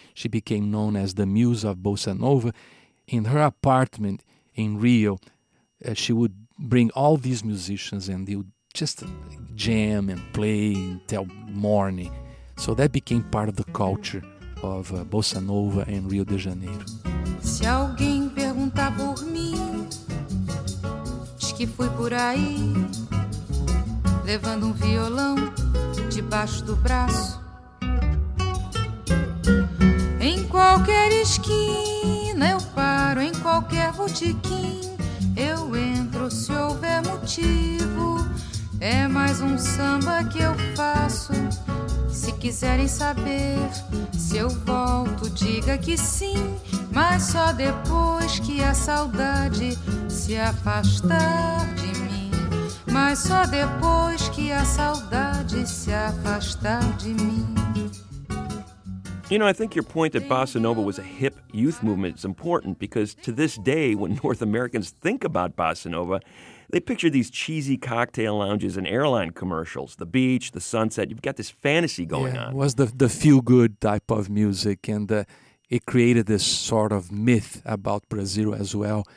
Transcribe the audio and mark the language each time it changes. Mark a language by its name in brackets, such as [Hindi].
[English] She became known as the muse of bossa nova. In her apartment in Rio, she would bring all these musicians and they would just jam and play until morning. So that became part of the culture of bossa nova in Rio de Janeiro. [Portuguese] Se alguém perguntar por mim, diz que fui por aí, levando um violão debaixo do braço. Em qualquer esquina eu paro, em qualquer botequim eu entro se houver motivo. É mais um samba que eu faço. Se quiserem saber se eu volto, diga que sim. Mas só depois que a saudade se afastar de mim. Mas só depois que a saudade se afastar de mim. [English] You know, I think your point that bossa nova was a hip youth movement is important because to this day, when North Americans think about bossa nova, they picture these cheesy cocktail lounges and airline commercials, the beach, the sunset. You've got this fantasy going on. It was the feel-good type of music, and it created this sort of myth about Brazil as well.